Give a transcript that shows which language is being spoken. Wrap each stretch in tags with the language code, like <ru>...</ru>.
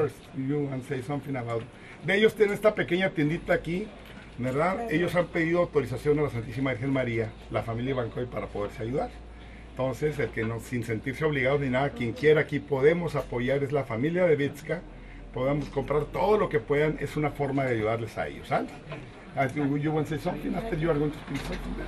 <en>First, you want to say something about them.</en> <es>Ellos tienen esta pequeña tiendita aquí, ¿verdad? Ellos han pedido autorización a la Santísima Virgen María, la familia Bankovic, para poderse ayudar. Entonces, el que no, sin sentirse obligados ni nada, quien quiera aquí podemos apoyar es la familia de Betska. Podemos comprar todo lo que puedan, es una forma de ayudarles a ellos, ¿sale?</es> <en>You want to say something after you are going to speak something?</en>